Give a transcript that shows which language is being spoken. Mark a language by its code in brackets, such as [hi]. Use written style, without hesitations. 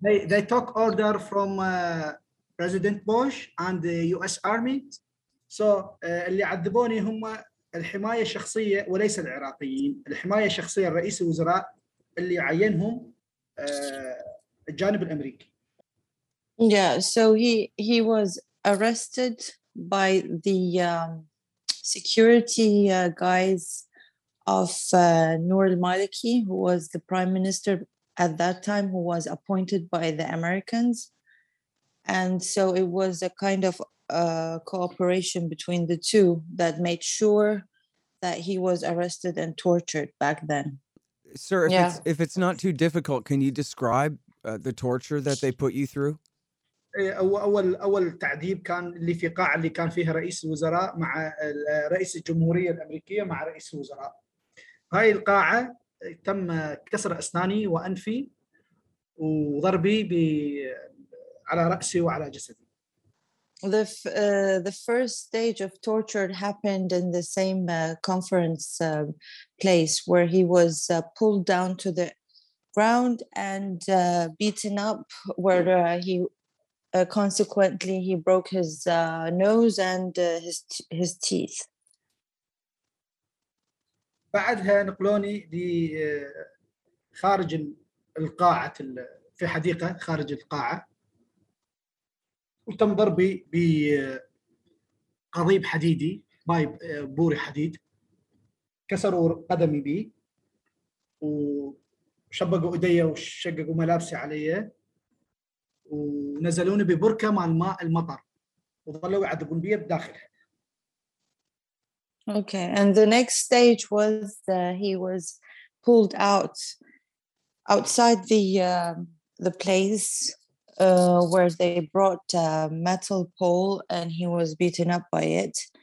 [en] They took order from President Bush and the U.S. Army. [ar] So, اللي عذبوني هم الحماية الشخصية وليس العراقيين. الحماية الشخصية الرئيس الوزراء اللي عينهم الجانب الأمريكي. [en] Yeah, so he was arrested by the security guys of Nour al-Maliki, who was the prime minister at that time, who was appointed by the Americans. And so it was a kind of cooperation between the two that made sure that he was arrested and tortured back then. Sir, if it's not too difficult, can you describe the torture that they put you through? [ar] أول تعذيب كان اللي في قاعة اللي كان فيها رئيس الوزراء مع رئيس الجمهورية الأمريكية مع رئيس الوزراء. هاي القاعة تم كسر أسناني وأنفي وضربي على رأسي وعلى جسدي. [en] The first stage of torture happened in the same conference place where he was pulled down to the ground and beaten up, where consequently he broke his nose and his teeth. [ar] بعدها نقلوني ل خارج القاعة في حديقة خارج القاعة وتم ضربي بقضيب حديدي باي بوري حديد كسروا قدمي بي وشبقوا ايدي وشققوا ملابسي علي ونزلوني ببركة مع الماء المطر وظلوا يعذبون بي بداخلها. [en] Okay, and the next stage was he was pulled outside the place where they brought a metal pole and he was beaten up by it.